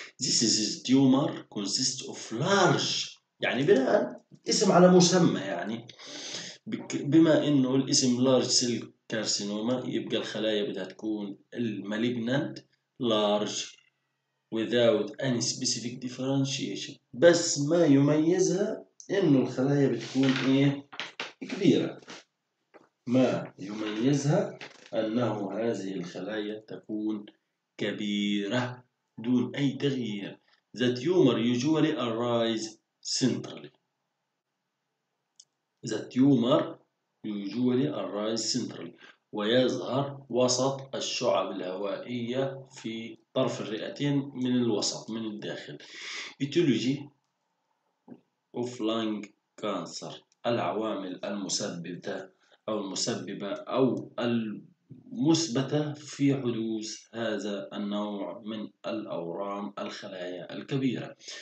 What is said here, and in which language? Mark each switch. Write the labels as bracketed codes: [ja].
[en] This is a tumor consists of large، [ar] يعني بناء اسم على مسمى، يعني بما انه الاسم لارج سيل كارسينوما يبقى الخلايا بدها تكون المالجنانت لارج [en] without any specific differentiation، [ar] بس ما يميزها انه الخلايا بتكون ايه كبيرة. ما يميزها انه هذه الخلايا تكون كبيرة دون اي تغيير. [en] The tumor usually arise centrally. The tumor usually arise centrally [ar] ويظهر وسط الشعب الهوائية في طرف الرئتين من الوسط من الداخل. [en] Etiology of lung cancer [ar] العوامل المسببة أو المثبتة في حدوث هذا النوع من الأورام الخلايا الكبيرة.